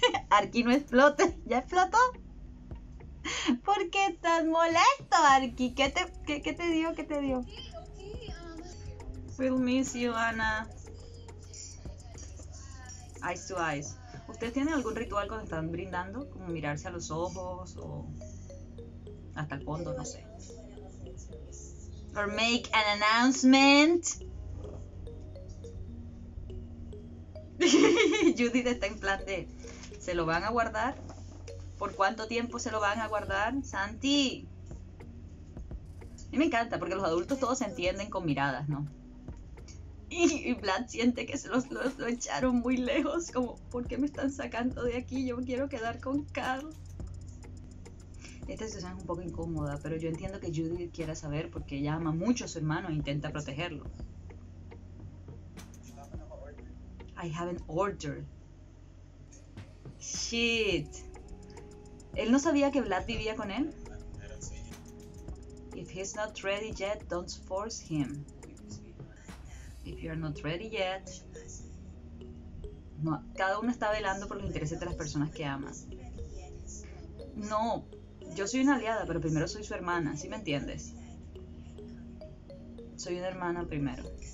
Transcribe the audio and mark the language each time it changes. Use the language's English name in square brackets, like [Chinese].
[Spanish] Arki no explote. ¿Ya explotó? ¿Por qué estás molesto, Arki? ¿Qué te dio? ¿Qué te dio? [English] We'll miss you, Anna. Eyes to eyes. [Spanish] ¿Ustedes tienen algún ritual cuando están brindando? Como mirarse a los ojos o... hasta el fondo, no sé. [English] Or make an announcement. [Spanish] Judith está en plan de... ¿Se lo van a guardar? ¿Por cuánto tiempo se lo van a guardar? ¡Santi! A mí me encanta, porque los adultos todos se entienden con miradas, ¿no? Y Vlad siente que se lo echaron muy lejos. Como, ¿por qué me están sacando de aquí? Yo quiero quedar con Carl. Esta situación es un poco incómoda, pero yo entiendo que Judy quiera saber porque ella ama mucho a su hermano e intenta protegerlo. [English] I have an order. Shit. [Spanish] ¿Él no sabía que Vlad vivía con él? [English] If he's not ready yet, don't force him. If you're not ready yet. [Spanish] No, cada uno está velando por los intereses de las personas que ama. No, yo soy una aliada, pero primero soy su hermana, ¿sí me entiendes? Soy una hermana primero.